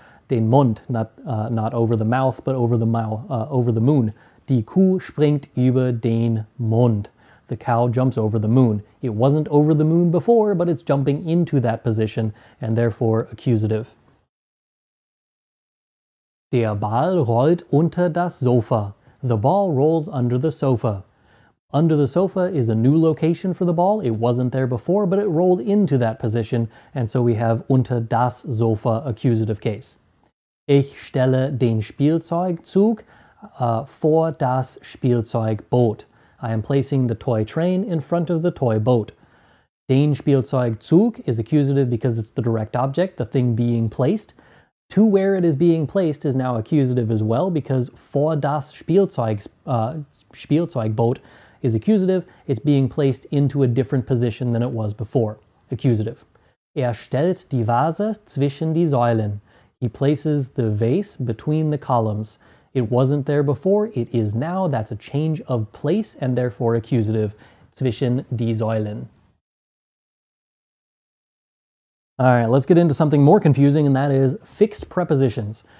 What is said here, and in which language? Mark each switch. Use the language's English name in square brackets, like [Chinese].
[English] Not over the mouth, but over the moon. [German] Die Kuh springt über den Mund. [English] The cow jumps over the moon. It wasn't over the moon before, but it's jumping into that position, and therefore accusative. [German] Der Ball rollt unter das Sofa. [English] The ball rolls under the sofa. Under the sofa is a new location for the ball. It wasn't there before, but it rolled into that position, and so we have [German] unter das Sofa, [English] accusative case. [German] Ich stelle den Spielzeugzug vor das Spielzeugboot. [English] I am placing the toy train in front of the toy boat. [German] Den Spielzeugzug [English] is accusative because it's the direct object, the thing being placed. To where it is being placed is now accusative as well because [German] vor das Spielzeugboot [English] is accusative, it's being placed into a different position than it was before. Accusative. [German] Er stellt die Vase zwischen die Säulen. [English] He places the vase between the columns. It wasn't there before, it is now. That's a change of place and therefore accusative. [German] Zwischen die Säulen. [English] All right, let's get into something more confusing, and that is fixed prepositions.